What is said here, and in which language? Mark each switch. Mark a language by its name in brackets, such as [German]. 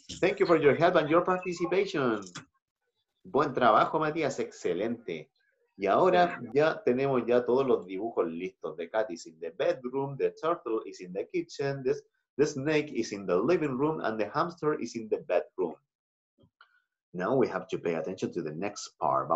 [English] Thank you for your help and your participation. [Spanish] Buen trabajo, Matías. Excelente. Y ahora ya tenemos ya todos los dibujos listos. [English] The cat is in the bedroom, the turtle is in the kitchen, the snake is in the living room, and the hamster is in the bedroom. Now we have to pay attention to the next part.